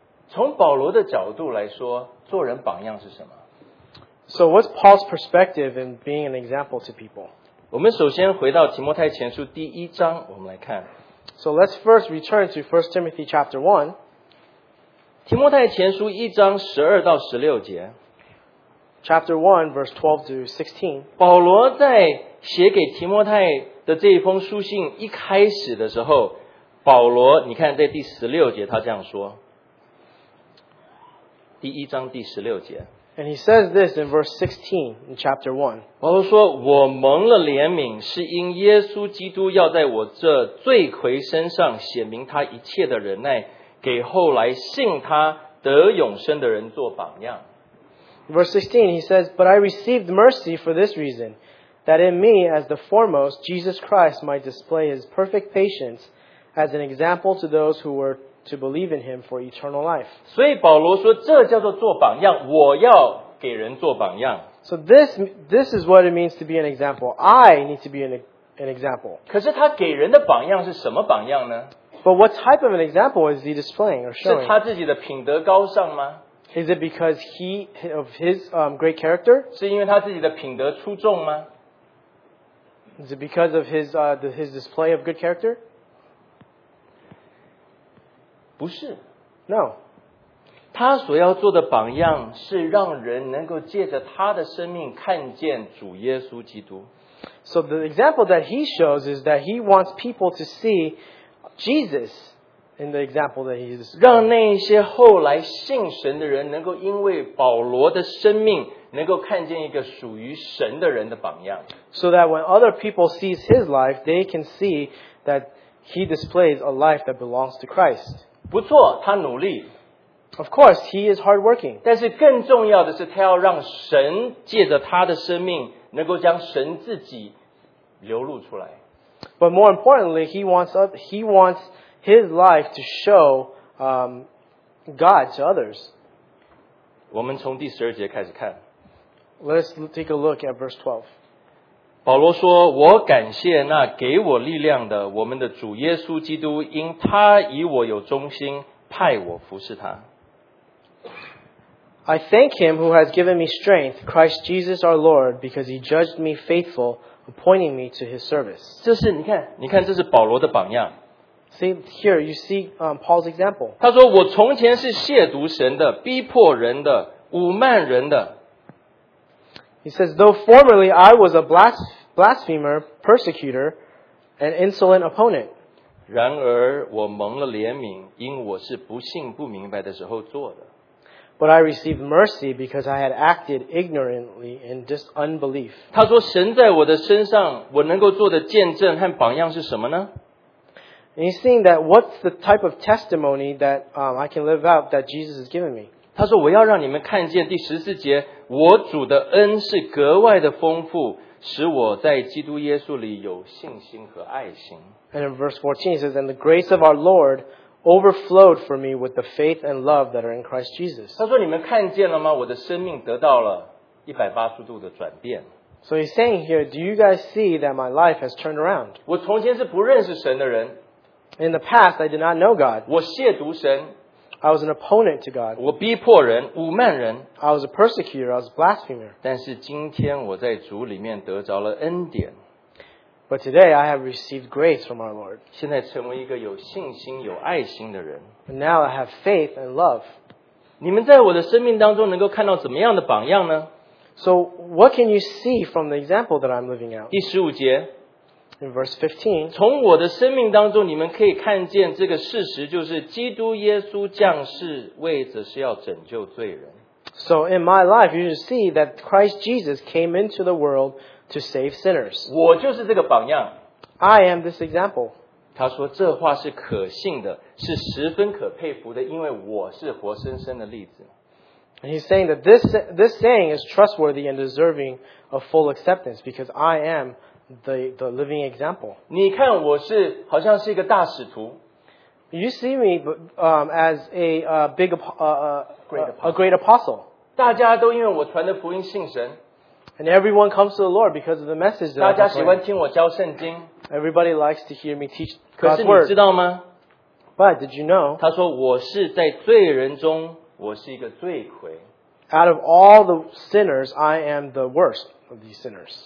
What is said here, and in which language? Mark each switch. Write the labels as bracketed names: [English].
[Chinese] 从保罗的角度来说，做人榜样是什么？ [English] So what's Paul's perspective in being an example to people? [Chinese] 我们首先回到提摩太前书第一章，我们来看。 [English] So let's first return to 1 Timothy chapter 1. [Chinese] 提摩太前书一章十二到十六节。 [English] Chapter 1, verse 12 to 16. [Chinese] 保罗在写给提摩太的这一封书信一开始的时候，保罗，你看在第十六节他这样说。第一章第十六节。 [English] And he says this in verse 16 in chapter 1. [Chinese] 保罗说，我蒙了怜悯，是因耶稣基督要在我这罪魁身上显明他一切的忍耐，给后来信他得永生的人做榜样。 [English] Verse 16, he says, But I received mercy for this reason, that in me, as the foremost, Jesus Christ might display his perfect patience as an example to those who were to believe in him for eternal life. [Chinese] 所以保罗说，这叫做做榜样，我要给人做榜样。 [English] So this is what it means to be an example. I need to be an example. [Chinese] 可是他给人的榜样是什么榜样呢？ [English] But what type of an example is he displaying or showing? [Chinese] 是他自己的品德高尚吗？ [English] Is it because he of his great character? [Chinese] 是因为他自己的品德出众吗？ [English] Is it because of his display of good character? [Chinese] 不是。 [English] No. [Chinese] 他所要做的榜样是让人能够借着他的生命看见主耶稣基督。 [English] So the example that he shows is that he wants people to see Jesus. In the example that he's [Chinese] 让那些后来信神的人能够因为保罗的生命能够看见一个属于神的人的榜样。 [English] So that when other people see his life, they can see that he displays a life that belongs to Christ. [Chinese] 不错，他努力。 [English] Of course, he is hardworking. [Chinese] 但是更重要的是，他要让神借着他的生命，能够将神自己流露出来。 [English] But more importantly, he wants his life to show God to others. [Chinese] 我们从第十二节开始看。 [English] Let's take a look at verse 12. [Chinese] 保罗说，我感谢那给我力量的我们的主耶稣基督，因他以我有忠心，派我服侍他。 [English] I thank him who has given me strength, Christ Jesus our Lord, because he judged me faithful, appointing me to his service. [Chinese] 这是你看这是保罗的榜样。 [English] See, here you see Paul's example. [Chinese] 他说我从前是亵渎神的，逼迫人的，侮慢人的。 [English] He says, though formerly I was a blasphemer, persecutor, an insolent opponent. [Chinese] 然而我蒙了怜悯，因我是不信不明白的时候做的。 [English] But I received mercy because I had acted ignorantly in just unbelief. [Chinese] 他说神在我的身上，我能够做的见证和榜样是什么呢？ [English] And he's saying that what's the type of testimony that I can live out that Jesus has given me? [Chinese] 他说我要让你们看见第十四节，我主的恩是格外的丰富，使我在基督耶稣里有信心和爱心。 [English] And in verse 14 he says, And the grace of our Lord overflowed for me with the faith and love that are in Christ Jesus. [Chinese] 他说你们看见了吗？我的生命得到了180度的转变。 [English] So he's saying here, do you guys see that my life has turned around? [Chinese] 我从前是不认识神的人。 [English] In the past, I did not know God. [Chinese] 我亵渎神。 [English] I was an opponent to God. [Chinese] 我逼迫人，侮慢人。 [English] I was a persecutor, I was a blasphemer. [Chinese] 但是今天我在主里面得着了恩典。 [English] But today I have received grace from our Lord. [Chinese] 现在成为一个有信心、有爱心的人。 [English] And now I have faith and love. [Chinese] 你们在我的生命当中能够看到怎么样的榜样呢？ [English] So what can you see from the example that I'm living out? [Chinese] 第十五节。 [English] In verse 15, [Chinese] 从我的生命当中，你们可以看见这个事实，就是基督耶稣降世，为的是要拯救罪人。 [English] So in my life, you see that Christ Jesus came into the world to save sinners. [Chinese] 我就是这个榜样。 [English] I am this example. [Chinese] 他说这话是可信的，是十分可佩服的，因为我是活生生的例子。 [English] And he's saying that this saying is trustworthy and deserving of full acceptance because I am. The living example. [Chinese] 你看我是好像是一个大使徒。 [English] You see me as a great apostle. [Chinese] 大家都因为我传的福音信神。 [English] And everyone comes to the Lord because of the message that I proclaim. [Chinese] 大家喜欢听我教圣经。 [English] Everybody likes to hear me teach God's word. [Chinese] 可是你知道吗？ [English] But did you know? [Chinese] 他说我是在罪人中，我是一个罪魁。 [English] Out of all the sinners, I am the worst of these sinners.